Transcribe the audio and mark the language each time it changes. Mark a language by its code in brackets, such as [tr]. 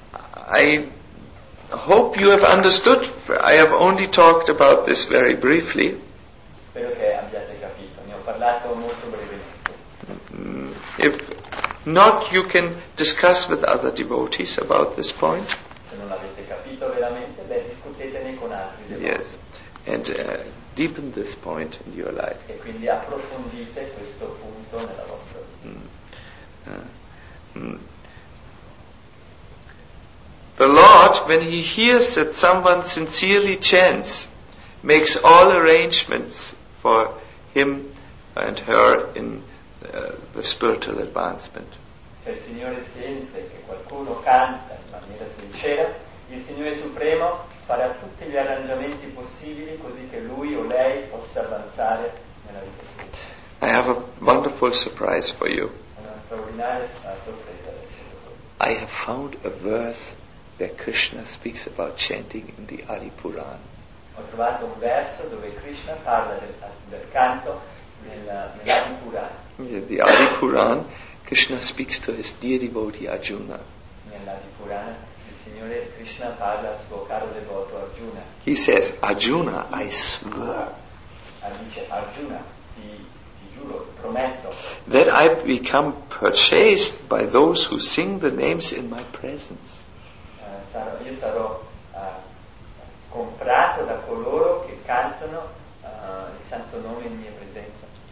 [en] I hope you have understood. I have only talked about this very briefly. [it] Spero che abbiate capito. Ne ho parlato molto brevemente. [en] If not, you can discuss with other devotees about this point. [it] Se non l'avete capito veramente, beh, discutetene con altri devoti. [en] Yes. And deepen this point in your life. [it] E quindi approfondite questo punto nella vostra vita. [en] The Lord, when he hears that someone sincerely chants, makes all arrangements for him and her in the spiritual advancement. [it] Se il Signore sente che qualcuno canta in maniera sincera, il Signore Supremo farà tutti gli arrangiamenti possibili così che lui o lei possa avanzare nella vita. [en] I have a wonderful surprise for you. [it] Una straordinaria sorpresa. [en] I have found a verse where Krishna speaks about chanting in the Adi Puran. [it] Ho trovato un verso dove Krishna parla del canto nell'Adi Puran. [en] The Adi Puran, Krishna speaks to his dear devotee Arjuna. [it] Nell'Adi Puran. Signore Krishna parla al suo caro devoto Arjuna. [en] He says, Arjuna, I swear. [it] Dice, Arjuna, ti giuro, prometto. [en] That I become purchased by those who sing the names in my presence. [it] Io sarò comprato da coloro che cantano il santo nome in mia presenza.